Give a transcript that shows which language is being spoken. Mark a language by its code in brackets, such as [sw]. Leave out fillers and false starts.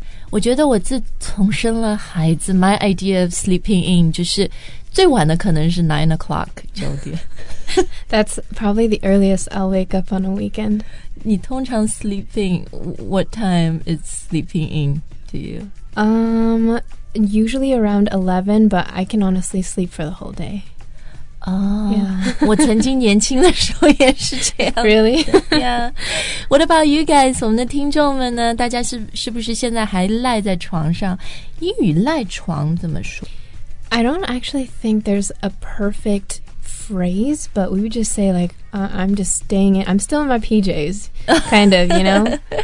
[zh] 我觉得我自从生了孩子 [en] my idea of sleeping in [zh] 就是最晚的可能是 [en] 9 o'clock, [zh] 九点。 [en] That's probably the earliest I'll wake up on a weekend. [zh] 你通常 [en] sleep in, what time is sleeping in to you? Usually around 11, but I can honestly sleep for the whole day. Yeah. [zh] 我曾经年轻的时候也是这样。 [en] Really? Yeah. What about you guys? [zh] 我们的听众们呢？大家是不是现在还赖在床上？英语赖床怎么说？ [en] I don't actually think there's a perfect phrase, but we would just say like, I'm just staying in. I'm still in my PJs, kind of, you know?